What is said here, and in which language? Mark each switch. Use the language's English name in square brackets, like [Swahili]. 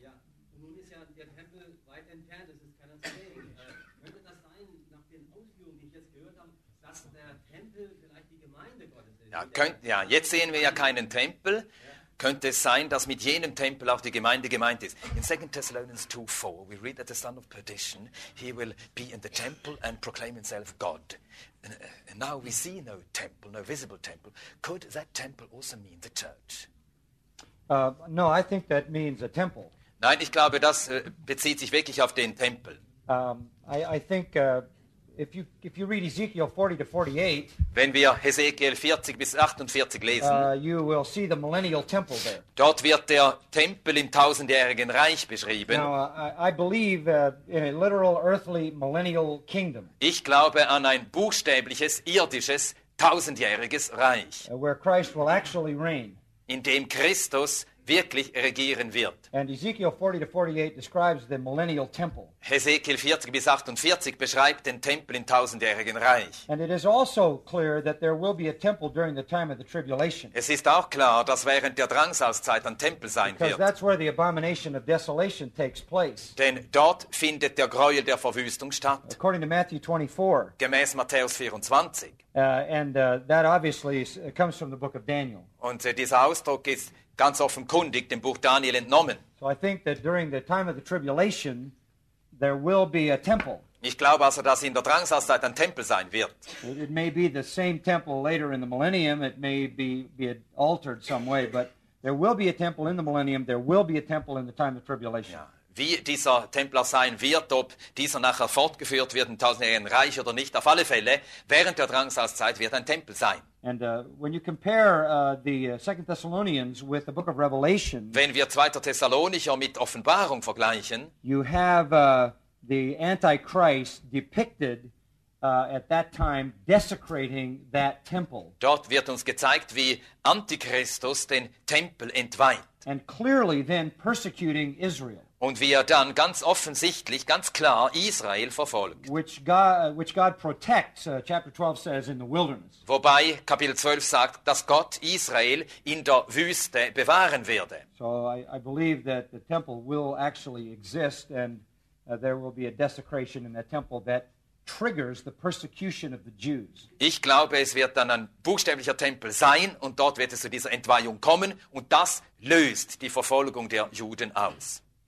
[German] Ja, und nun ist ja der Tempel weit entfernt, das ist keiner zu sehen. Könnte das sein, nach den Ausführungen, die ich jetzt gehört habe, dass der Tempel vielleicht die Gemeinde Gottes ist? Ja, jetzt sehen wir ja keinen Tempel. Ja. Könnte es sein, dass mit jenem Tempel auch die Gemeinde gemeint ist? [English] In 2. Thessalonians 2, 4, we read that the son of perdition, he will be in the temple and proclaim himself God. And now we see no temple, no visible temple. Could that temple also mean the church? No, I think that means a temple. [German] Nein, ich glaube, das bezieht sich wirklich auf den Tempel. [English] I think if you read Ezekiel 40 to 48, [German] wenn wir Hesekiel 40 bis 48 lesen, [English] you will see the millennial temple there. [German] Dort wird der Tempel im tausendjährigen Reich beschrieben. [English] Now, I believe in a literal earthly millennial kingdom. [German] Ich glaube an ein buchstäbliches, irdisches, tausendjähriges Reich, [English] where Christ will actually reign. [German] In dem Christus wirklich regieren wird. [English] And Ezekiel 40 to 48 describes the millennial temple. [German] Hesekiel 40 bis 48 beschreibt den Tempel im tausendjährigen Reich. [English] And it is also clear that there will be a temple during the time of the tribulation. [German] Es ist auch klar, dass während der Drangsalszeit ein Tempel sein wird. [English] Because that's where the abomination of desolation takes place. [German] Denn dort findet der Gräuel der Verwüstung statt. [English] According to Matthew 24. [German] Gemäß Matthäus 24. [English] That obviously comes from the book of Daniel. [German] Und dieser Ausdruck ist ganz offenkundig dem Buch Daniel entnommen. [English] So I think that during the time of the tribulation there will be a temple. [German] Ich glaube also, dass in der Drangsalszeit ein Tempel sein wird. [English] It may be the same temple later in the millennium, it may be altered some way, but there will be a temple in the millennium, there will be a temple in the time of tribulation. [German] Ja. Wie dieser Tempel sein wird, ob dieser nachher fortgeführt wird im tausendjährigen Reich oder nicht, auf alle Fälle, während der Drangsalszeit wird ein Tempel sein. [English] And when you compare the 2 Thessalonians with the book of Revelation, [German] wenn wir 2. Thessalonicher mit Offenbarung vergleichen, [English] you have the Antichrist depicted at that time desecrating that temple. [German] Dort wird uns gezeigt, wie Antichristus den Tempel entweiht. [English] And clearly then persecuting Israel. [German] Und wie er dann ganz offensichtlich, ganz klar Israel verfolgt. [English] Which God protects, chapter 12 says, in the wilderness. [German] Wobei Kapitel 12 sagt, dass Gott Israel in der Wüste bewahren werde. [English] So I believe that the temple will actually exist and there will be a desecration in that temple that triggers the persecution of the Jews. [German] Ich glaube, es wird dann ein buchstäblicher Tempel sein und dort wird es zu dieser Entweihung kommen und das löst die Verfolgung der Juden aus.